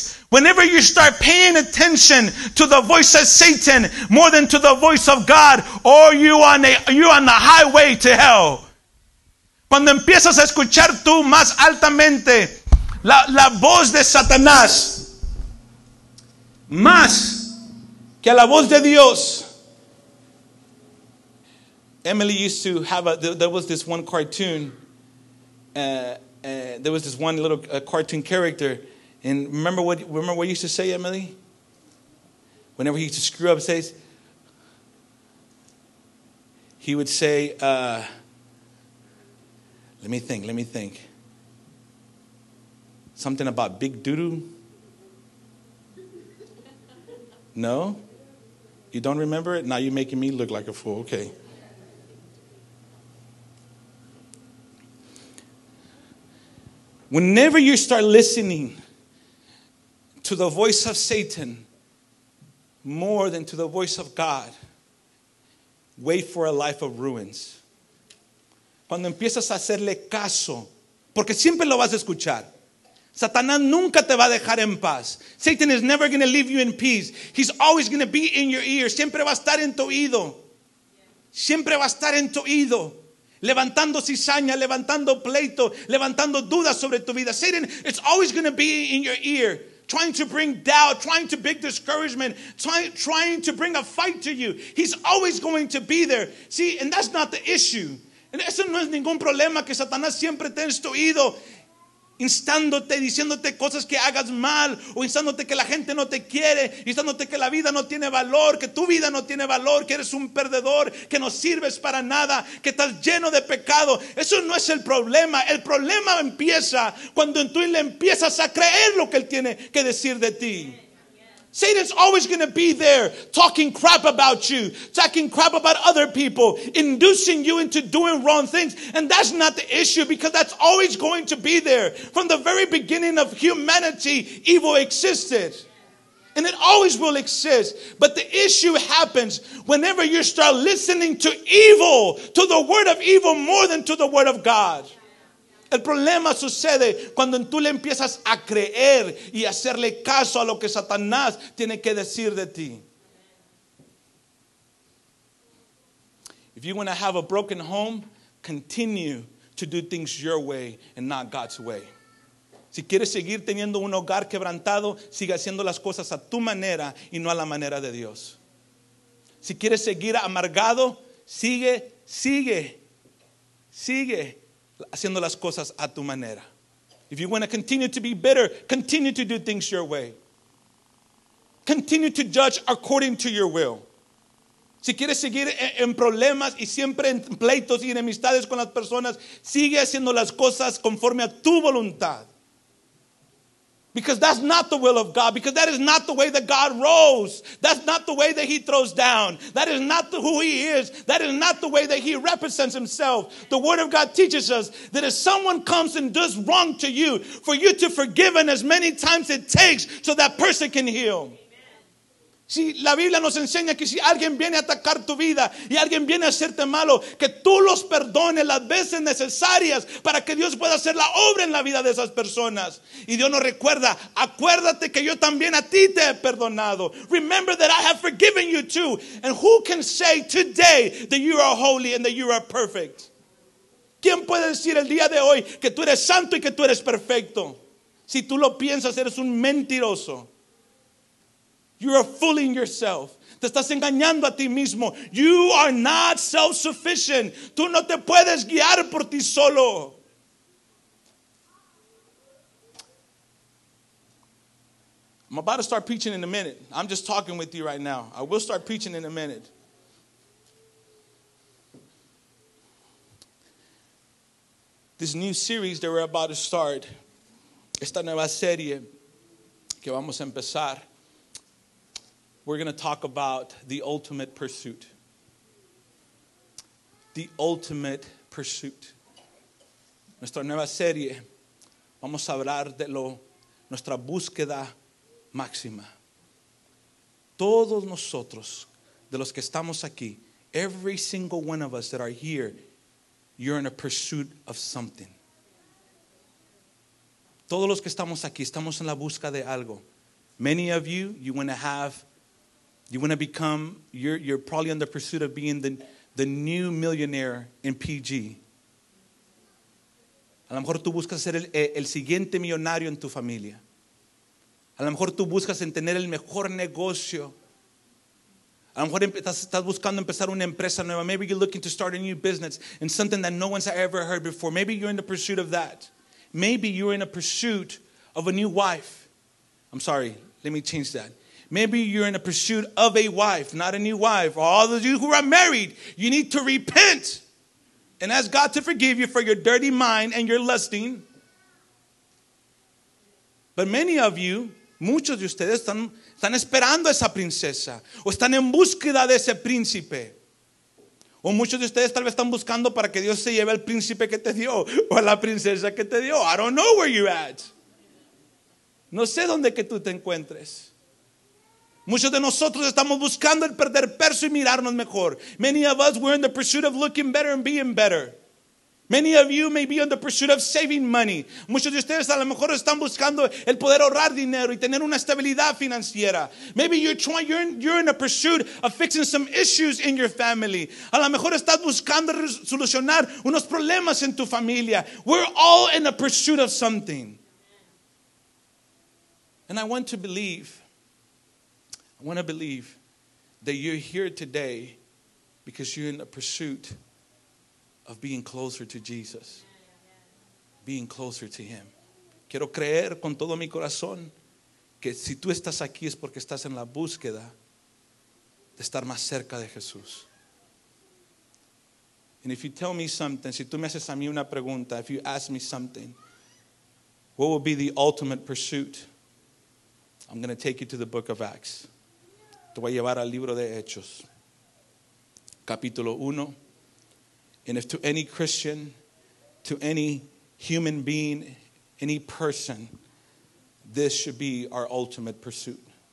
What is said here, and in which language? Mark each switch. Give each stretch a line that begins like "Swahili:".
English: Whenever you start paying attention to the voice of Satan more than to the voice of God, or you're on the highway to hell.
Spanish: Cuando empiezas a escuchar tú más altamente la voz de Satanás más que a la voz de Dios.
English: Emily used to have there was this one cartoon. There was this one little cartoon character. And remember what he used to say, Emily? Whenever he used to screw up, he would say, Let me think. Something about big doo-doo? No? You don't remember it? Now you're making me look like a fool. Okay. Whenever you start listening to the voice of Satan more than to the voice of God, wait for a life of ruins.
Spanish: Cuando empiezas a hacerle caso, porque siempre lo vas a escuchar. Satanás nunca te va a dejar en paz.
English: Satan is never going to leave you in peace. He's always going to be in your ear.
Spanish: Siempre va a estar en tu oído. Siempre va a estar en tu oído. Levantando cizaña, levantando pleito, levantando dudas sobre tu vida.
English: Satan is always going to be in your ear. Trying to bring doubt, trying to bring discouragement, trying to bring a fight to you. He's always going to be there. See, and that's not the issue.
Spanish: Eso no es ningún problema que Satanás siempre te ha oído instándote, diciéndote cosas que hagas mal, o instándote que la gente no te quiere, instándote que la vida no tiene valor, que tu vida no tiene valor, que eres un perdedor, que no sirves para nada, que estás lleno de pecado. Eso no es el problema. El problema empieza cuando tú le empiezas a creer lo que él tiene que decir de ti.
English: Satan's always going to be there talking crap about you, talking crap about other people, inducing you into doing wrong things. And that's not the issue, because that's always going to be there. From the very beginning of humanity, evil existed. And it always will exist. But the issue happens whenever you start listening to evil, to the word of evil more than to the word of God.
Spanish: El problema sucede cuando tú le empiezas a creer y hacerle caso a lo que Satanás tiene que decir de ti.
English: If you want to have a broken home, continue to do things your way and not God's way.
Spanish: Si quieres seguir teniendo un hogar quebrantado, sigue haciendo las cosas a tu manera y no a la manera de Dios. Si quieres seguir amargado, sigue haciendo las cosas a tu manera.
English: If you want to continue to be bitter, continue to do things your way. Continue to judge according to your will.
Spanish: Si quieres seguir en problemas y siempre en pleitos y enemistades con las personas, sigue haciendo las cosas conforme a tu voluntad.
English: Because that's not the will of God. Because that is not the way that God rolls. That's not the way that he throws down. That is not who he is. That is not the way that he represents himself. The word of God teaches us that if someone comes and does wrong to you, for you to forgive him as many times it takes so that person can heal.
Spanish: Si la Biblia nos enseña que si alguien viene a atacar tu vida y alguien viene a hacerte malo, que tú los perdones las veces necesarias para que Dios pueda hacer la obra en la vida de esas personas. Y Dios nos recuerda, acuérdate que yo también a ti te he perdonado.
English: Remember that I have forgiven you too. And who can say today that you are holy and that you are perfect?
Spanish: ¿Quién puede decir el día de hoy que tú eres santo y que tú eres perfecto? Si tú lo piensas, eres un mentiroso.
English: You are fooling yourself.
Spanish: Te estás engañando a ti mismo.
English: You are not self-sufficient.
Spanish: Tú no te puedes guiar por ti solo.
English: I'm about to start preaching in a minute. I'm just talking with you right now. I will start preaching in a minute. This new series that we're about to start.
Spanish: Esta nueva serie que vamos a empezar.
English: We're going to talk about the ultimate pursuit. The ultimate pursuit.
Spanish: Nuestra nueva serie, vamos a hablar de nuestra búsqueda máxima. Todos nosotros, de los que estamos aquí,
English: every single one of us that are here, you're in a pursuit of something.
Spanish: Todos los que estamos aquí, estamos en la búsqueda de algo.
English: Many of you, you want to have... You want to become, you're probably in the pursuit of being the new millionaire in PG.
Spanish: A lo mejor tú buscas ser el siguiente millonario en tu familia. A lo mejor tú buscas en tener el mejor negocio. A lo mejor estás buscando empezar una empresa nueva.
English: Maybe you're looking to start a new business and something that no one's ever heard before. Maybe you're in the pursuit of that. Maybe you're in a pursuit of a new wife. I'm sorry, let me change that. Maybe you're in a pursuit of a wife, not a new wife. All of you who are married, you need to repent and ask God to forgive you for your dirty mind and your lusting. But many of you,
Spanish: muchos de ustedes, están esperando a esa princesa o están en búsqueda de ese príncipe. O muchos de ustedes tal vez están buscando para que Dios se lleve al príncipe que te dio o a la princesa que te dio.
English: I don't know where you're at.
Spanish: No sé dónde que tú te encuentres. Muchos de nosotros estamos buscando el perder peso y mirarnos mejor.
English: Many of us, we're in the pursuit of looking better and being better. Many of you may be in the pursuit of saving money.
Spanish: Muchos de ustedes a lo mejor están buscando el poder ahorrar dinero y tener una estabilidad financiera.
English: Maybe you're in a pursuit of fixing some issues in your family.
Spanish: A lo mejor estás buscando solucionar unos problemas en tu familia.
English: We're all in a pursuit of something. And I want to believe that you're here today because you're in the pursuit of being closer to Jesus. Being closer to Him.
Spanish: Quiero creer con todo mi corazón que si tú estás aquí es porque estás en la búsqueda de estar más cerca de Jesús.
English: And if you tell me something,
Spanish: si tú me haces a mí una pregunta,
English: if you ask me something, what will be the ultimate pursuit? I'm going to take you to the book of Acts.
Spanish: Te voy a llevar al libro de Hechos, capítulo 1.
English: And if to any Christian, to any human being, any person, this should be our ultimate pursuit.